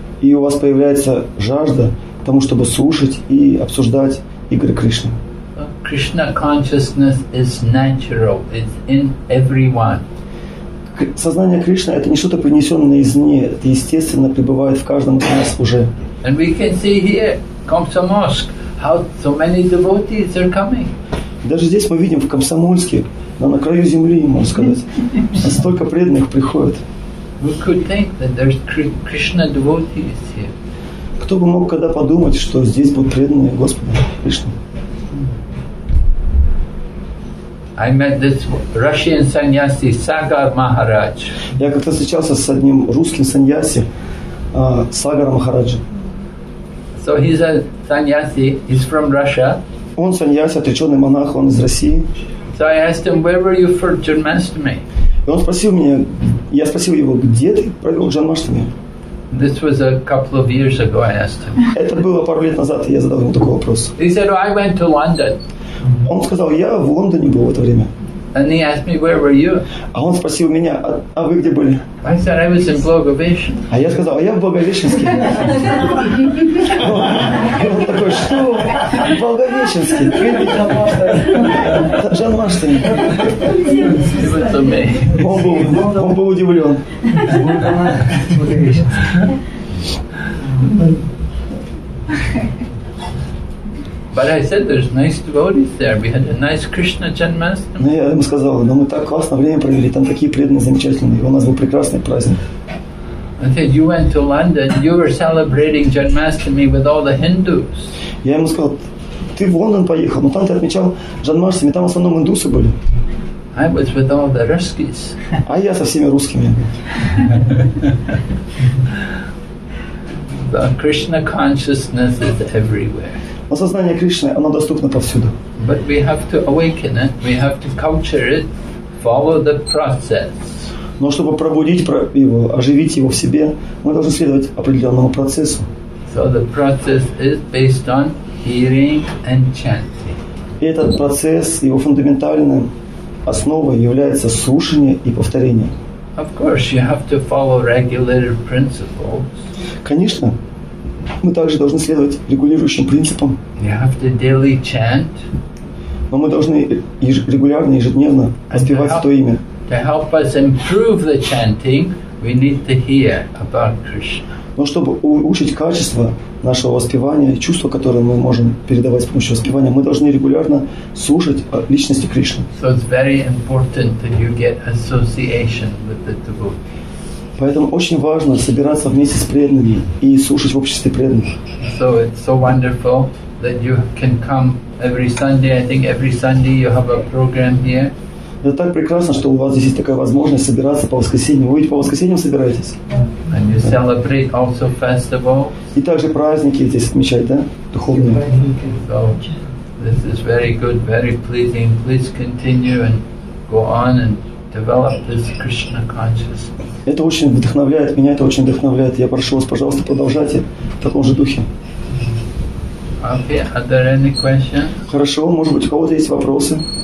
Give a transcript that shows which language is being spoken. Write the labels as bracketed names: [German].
[Russian] И у вас появляется жажда к тому, чтобы слушать и обсуждать игры Кришны. [English] Krishna consciousness is natural. It's in everyone. [Russian] Сознание Кришны — это не что-то, принесенное извне. Это естественно пребывает в каждом из нас уже. [English] And we can see here, Komsomolsk, how so many devotees are coming. [Russian] Даже здесь мы видим в Комсомольске, на краю земли, можно сказать, столько преданных приходит. [English] Who could think that there's Krishna devotees here? [Russian] Кто бы мог когда подумать, что здесь будут преданные Господу Кришне? [English] I met this Russian sannyasi Sagar Maharaj. [Russian] Я как-то встречался с одним русским sannyasi Sagar Maharaj. [English] So he's a sannyasi, he's from Russia. [Russian] Он sannyasi, отреченный монах, он из России. [English] So I asked him, where were you for Janmashtami? [Russian] И он спросил меня, я спросил его, где ты провел Janmashtami? [English] This was a couple of years ago, I asked him. [Russian] Это было пару лет назад, я задал ему такой вопрос. [English] He said, oh, I went to London. [Russian] Он сказал, я в Лондоне был в это время. [English] And he asked me, where were you? [Russian] А он спросил меня, а вы где были? [English] I said, I was in Благовещен. [Russian] А я сказал, а я в Благовещенске. Он такой, что? В Благовещенске? Janmashtami. Он был удивлен. [English] But I said, there's nice devotees there. We had a nice Krishna Janmashtami. [Russian] Я ему сказал, мы так классно время провели. Там такие преданные, замечательные. У нас был прекрасный праздник. [English] I said, you went to London. You were celebrating Janmashtami with all the Hindus. [Russian] Я ему сказал, ты в Лондон поехал, но там ты отмечал Janmashtami. Там в основном индусы были. [English] I was with all the Russkies. [Russian] А я со всеми русскими. [English] The Krishna consciousness is everywhere. [Russian] осознание Кришны, оно доступно повсюду. [English] But we have to awaken it, we have to culture it, follow the process. [Russian] Но чтобы пробудить его, оживить его в себе, мы должны следовать определенному процессу. [English] So the process is based on hearing and chanting. [Russian] Этот процесс, его фундаментальной основой является слушание и повторение. [English] Of course, you have to follow regular principles. [Russian] Конечно, мы также должны следовать регулирующим принципам. [English] You have to daily chant. [Russian] Но мы должны регулярно, ежедневно воспевать то имя. [English] To help us improve the chanting, we need to hear about Krishna. [Russian] Но чтобы улучшить качество нашего воспевания, чувство, которое мы можем передавать с помощью воспевания, мы должны регулярно слушать о личности Кришны. [English] So it's very important that you get association with the devotees. [Russian] Поэтому очень важно собираться вместе с преданными и слушать в обществе преданных. [English] So it's so wonderful that you can come every Sunday. I think every Sunday you have a program here. [Russian] Это так прекрасно, что у вас здесь есть такая возможность собираться по воскресеньям. Вы ведь по воскресеньям собираетесь? [English] And you celebrate also festivals. [Russian] И также праздники здесь отмечают, да? Духовные. [English] So, this is very good, very pleasing. Please continue and go on and develop this Krishna consciousness. [Russian] Это очень вдохновляет, меня это очень вдохновляет. Я прошу вас, пожалуйста, продолжайте в таком же духе. [English] Okay, are there any questions? [Russian] Хорошо, может быть, у кого-то есть вопросы?